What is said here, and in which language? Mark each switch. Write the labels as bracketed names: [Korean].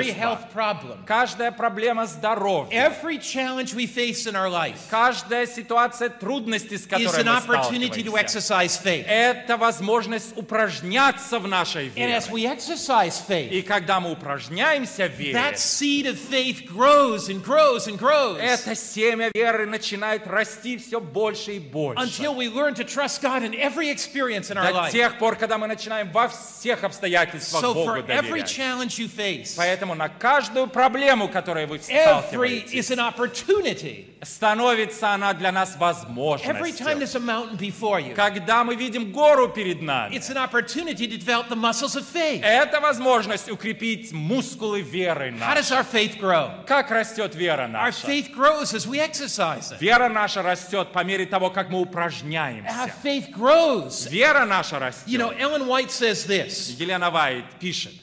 [English] every health problem, [Russian] каждая проблема здоровья, [English] every challenge we face in our life, [Russian] каждая ситуация трудности, с которой мы сталкиваемся, [English] is an opportunity to exercise faith. [Russian] Это возможность упражняться в нашей вере. [English] And as we exercise faith, [Russian] и когда мы упражняемся в вере, [English] that seed of faith grows and grows and grows. [Russian] Это семя веры начинает расти все больше и больше. [English] Until we learn to trust God in every experience in our life. [Russian] До тех пор, когда мы начинаем во всех обстоятельствах Богу доверять. [English] So for every challenge you face, [Russian] поэтому на каждую проблему, которую вы сталкиваетесь, [English] is an opportunity. [Russian] Становится она для нас возможностью. [English] Every time there's a mountain before you, [Russian] когда мы видим гору перед нами, [English] it's an opportunity to develop the muscles of faith. [Russian] Это возможность укрепить мускулы веры нашей. [English] How does our faith grow? [Russian] Как растет вера наша? [English] Our faith grows as we exercise it. [Russian] Вера наша растет по мере того, как мы упражняемся. [English] Our faith grows. [Russian] Вера наша растет. [English] You know, Ellen White says this. [Russian] Елена Уайт пишет.